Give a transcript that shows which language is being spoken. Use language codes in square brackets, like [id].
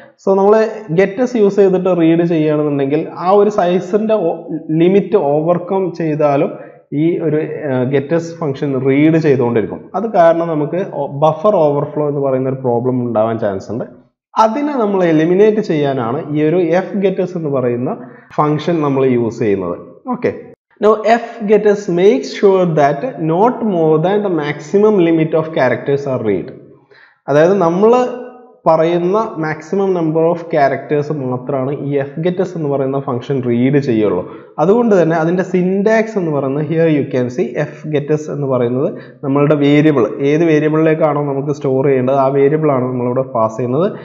[ml] So നമ്മൾ get us use ചെയ്തിട്ട് read ചെയ്യുകയാണെന്നുണ്ടെങ്കിൽ ആ ഒരു സൈസിൻ്റെ ലിമിറ്റ് ഓവർകം ചെയ്താലും ഈ ഒരു ഗെറ്റസ് ഫംഗ്ഷൻ റീഡ് ചെയ്തുകൊണ്ടിരിക്കും. അത് കാരണം നമുക്ക് ബഫർ ഓവർഫ്ലോ എന്ന് പറയുന്ന ഒരു പ്രോബ്ലം ഉണ്ടാവാൻ ചാൻസ് ഉണ്ട്. അതിനെ നമ്മൾ എലിമിനേറ്റ് ചെയ്യാനാണ് ഈ ഒരു എഫ് ഗെറ്റസ് എന്ന് പറയുന്ന ഫംഗ്ഷൻ നമ്മൾ യൂസ് ചെയ്യുന്നത്. [en] Okay, Now fgets makes sure that not more than the maximum limit of characters are read. [ml] അതായത് നമ്മൾ പറയുന്ന മാക്സിമം നമ്പർ ഓഫ് ക്യാരക്ടേഴ്സ് മാത്രമാണ് ഈ fgets എന്ന് പറയുന്ന ഫംഗ്ഷൻ റീഡ് ചെയ്യുള്ളൂ. അതുകൊണ്ട് തന്നെ അതിൻ്റെ സിൻടാക്സ് എന്ന് പറയുന്നത് [en] here you can see [ml] fgets എന്ന് പറയുന്നത് നമ്മളുടെ വേരിയബിൾ ഏത് വേരിയബിളിലേക്കാണോ നമുക്ക് സ്റ്റോർ ചെയ്യേണ്ടത് ആ വേരിയബിളാണ് നമ്മളിവിടെ പാസ് ചെയ്യുന്നത്.